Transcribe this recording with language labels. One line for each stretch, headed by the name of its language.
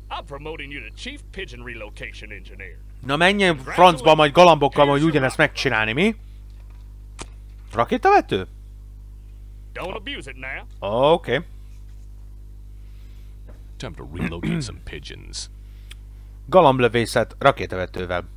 English: I'm promoting you to Chief Pigeon Relocation Engineer.
Hungarian: Na menjen francba majd galambokkal, hogy ugyanezt megcsinálni, mi?
English: Rakétavető? Don't abuse it now. Okay. Time to relocate some pigeons.
Hungarian: Galamblövészet rakétavetővel.